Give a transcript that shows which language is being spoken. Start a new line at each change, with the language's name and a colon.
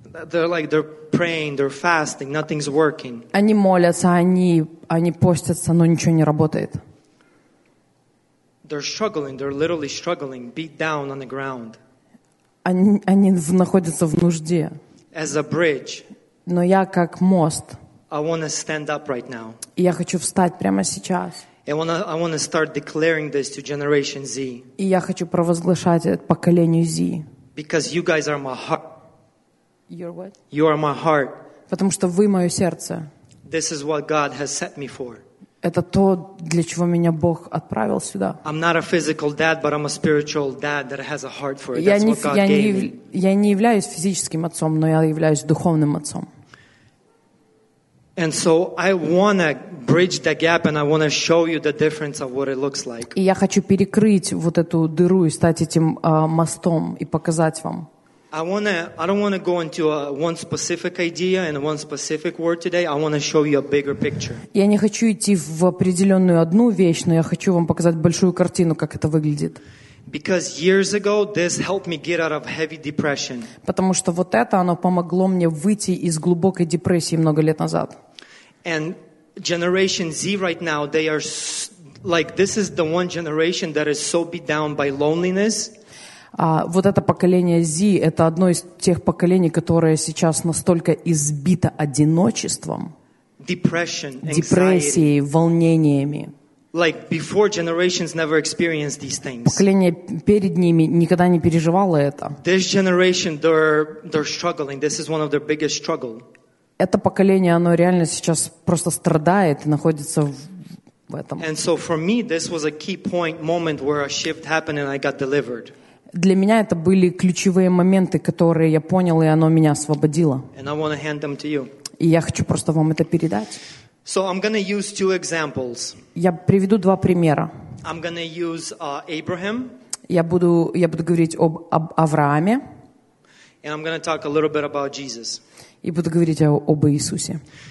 English: They're like they're praying, they're fasting, nothing's working.
Russian: Они молятся, они постятся, но ничего не работает.
English: They're struggling, they're literally struggling, beat down on the ground.
Russian: Они находятся в нужде.
English: As a bridge.
Russian: Но я как мост.
English: I want to stand up right now.
Russian: И я хочу встать прямо сейчас.
English: I want to start declaring this to Generation Z.
Russian: И я хочу провозглашать это поколению Z.
English: Because you guys are my heart. You're what? You are my heart.
Russian: Потому что вы мое сердце.
English: This is what God has set me for.
Russian: Это то, для чего меня Бог отправил сюда.
English: I'm not a physical dad, but I'm a spiritual dad that has a heart for it.
Russian: Я не являюсь физическим отцом, но я являюсь духовным отцом.
English: And so I want to bridge the gap and I want to show you the difference of what it looks like.
Russian: И я хочу перекрыть вот эту дыру и стать этим мостом и показать вам.
English: I don't want to go into one specific idea and one specific word today. I want to show you a bigger picture.
Russian: Я не хочу идти в определённую одну вещь, но я хочу вам показать большую картину, как это выглядит.
English: Because years ago this helped me get out of heavy depression.
Russian: Потому что вот это оно помогло мне выйти из глубокой депрессии много лет назад.
English: And generation Z right now they are like this is the one generation that is so beat down by loneliness.
Russian: Вот это поколение Z это одно из тех поколений, которое сейчас настолько избито одиночеством.
English: Depression, anxiety.
Russian: Депрессией, волнениями.
English: Like before generations never experienced these things.
Russian: Поколение перед ними никогда не переживало это.
English: This generation they're struggling. This is one of their biggest struggle.
Russian: Это поколение оно реально сейчас просто страдает и находится в этом.
English: And so for me this was a key point moment where a shift happened and I got delivered.
Russian: Для меня это были ключевые моменты, которые я понял и оно меня освободило.
English: And I want to hand them to you.
Russian: И я хочу просто вам это передать.
English: So I'm going to use two examples.
Russian: Я приведу два примера.
English: I'm going to use Abraham.
Russian: Я буду говорить об Аврааме.
English: And I'm going to talk a little bit about Jesus.
Russian: И буду говорить об Иисусе.